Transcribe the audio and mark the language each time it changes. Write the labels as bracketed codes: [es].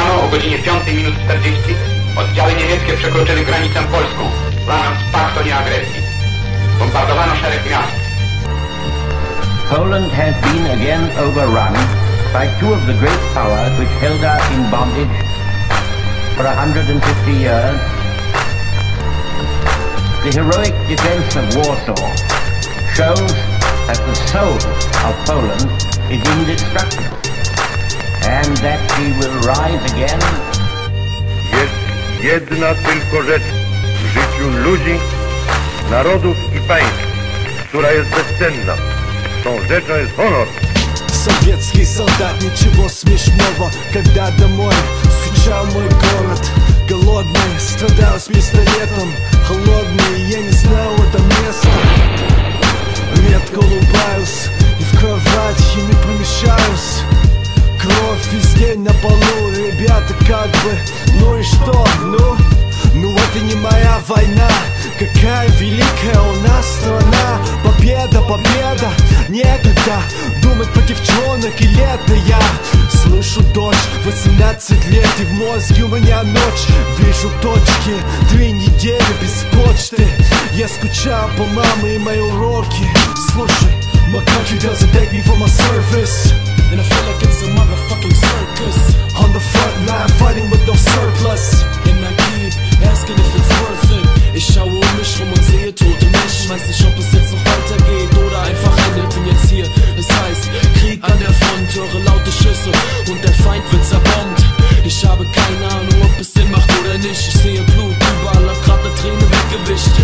[pl] godzinie 5:40 oddziały niemieckie przekroczyły granicę polską, łamiąc pakt o nieagresji. Bombardowano szereg miast. [en] Poland has been again overrun by two of the great powers which held us in bondage for 150 years. The heroic defense of Warsaw shows that the soul of Poland is indestructible and that she will rise again. [pl] Jest jedna tylko rzecz w życiu ludzi, narodów i państw, która jest bezcenna. Tą rzeczą jest honor. Sowiecki soldat, [ru] ничего смешного, когда домой стучал мой город. Голодный, страдал с пистолетом, холодный, я не знал это место. Редко улыбаюсь, и в кровати не помещаюсь. Кровь весь день на полу, ребята, как бы, ну и что, ну? Ну это не моя война, какая великая у нас страна. Победа, победа, некогда думать про девчонок и лето я. Слышу дождь, 18 лет и в мозге у меня ночь. Вижу точки, 3 недели без почты. Я скучал по маме и мои уроки. Слушай, [en] my country doesn't take me for my service. And I feel like it's a motherfucking circus. On the front line fighting with no surplus. And I keep asking if it's worth it. [de] Ich schaue um mich rum und sehe tote Menschen. Weiß nicht, ob es jetzt noch weitergeht oder einfach endet. Bin jetzt hier, es heißt Krieg an der Front. Höre laute Schüsse und der Feind wird zerbombt. Ich habe keine Ahnung, ob es Sinn macht oder nicht. Ich sehe Blut überall, hab grad ne Träne weggewischt.